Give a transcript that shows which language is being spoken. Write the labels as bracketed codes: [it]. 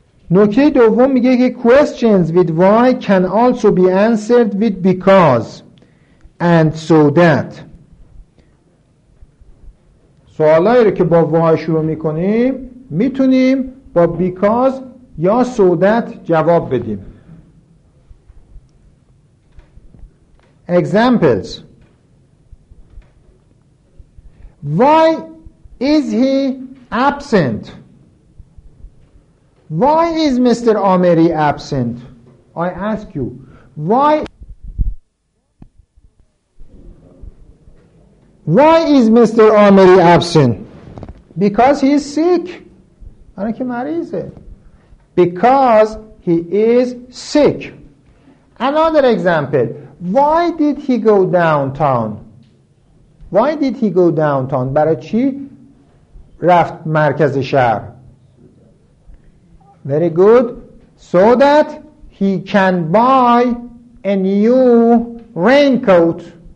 [fa] نکته دوم میگه که [en] questions with why can also be answered with because and so that. [fa] سوالایی رو که با why شروع میکنیم میتونیم با because یا so that جواب بدیم. [en] Examples: Why is he absent? Why is Mr. Ameri absent? I ask you. Why is Mr. Ameri absent? Because he is sick. [fa] برای که مریضه. [en] Because he is sick. Another example. Why did he go downtown? Why did he go downtown? [fa] برای چی رفت مرکز شهر؟ [en] Very good. So that he can buy a new raincoat.